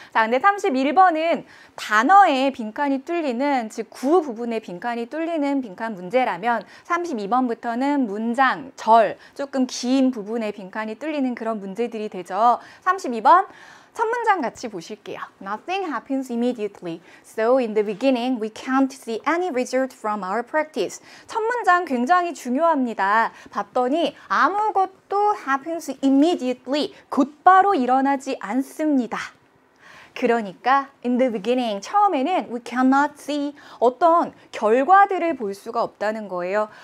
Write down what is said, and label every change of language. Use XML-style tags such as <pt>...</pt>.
<ko>자, 근데 31번은 단어에 빈칸이 뚫리는, 즉 구 부분에 빈칸이 뚫리는 빈칸 문제라면 32번부터는 문장, 절, 조금 긴 부분에 빈칸이 뚫리는 그런 문제들이 되죠. 32번 첫 문장 같이 보실게요.</ko> <en>Nothing happens immediately. So in the beginning, we can't see any result from our practice.</en> <ko>첫 문장 굉장히 중요합니다. 봤더니 아무것도 happens immediately. 곧바로 일어나지 않습니다. 그러니까 in the beginning, 처음에는 we cannot see 어떤 결과들을 볼 수가 없다는 거예요.</ko>